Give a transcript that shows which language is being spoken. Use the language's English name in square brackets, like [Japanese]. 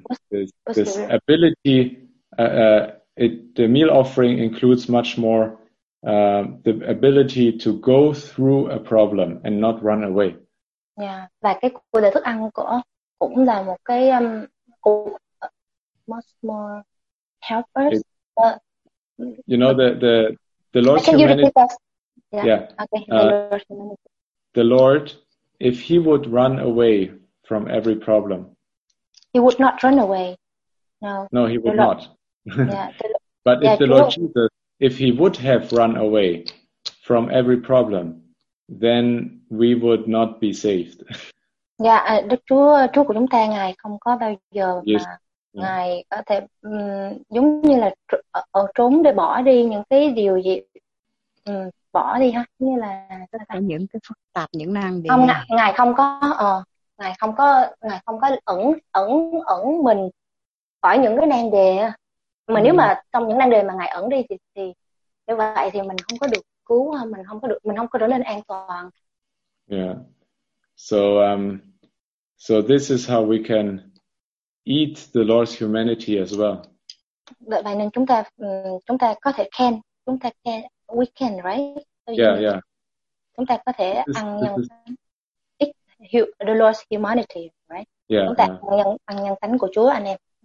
[English] This ability, the meal offering includes much more the ability to go through a problem and not run away. [Vietnamese] Yeah, và cái buổi lễ thức ăn của cũng là một cái [English] much more helpers. You know the Lord's can humanity. You repeat that? Yeah. The Lord, if he would run away from every problem. He would not run away. No. No, he would not. Yeah. But if the Lord Jesus, if he would have run away from every problem, then we would not be saved. [Vietnamese] Yeah, Chúa của chúng ta Ngài không có bao giờ yes. mà Ngài có thể giống như là trốn để bỏ đi những cái điều gì bỏ đi ha, như là những cái phức tạp những nan đề. Không, Ngài không có Ngài không có ẩn mình khỏi những cái nan đề. Mà nếu mà trong những nan đề mà Ngài ẩn đi thì như vậy thì mình không có được cứu, mình không có trở nên an toàn. [English] Yeah. So this is how we can eat the Lord's humanity as well. [Vietnamese] Vậy vậy nên chúng ta có thể khen, chúng ta [English] can, we can, right? Yeah. [Vietnamese] Chúng ta có thể ăn nhân [English] the Lord's humanity, right? Yeah. [Vietnamese] Ăn nhân tánh của Chúa anh em.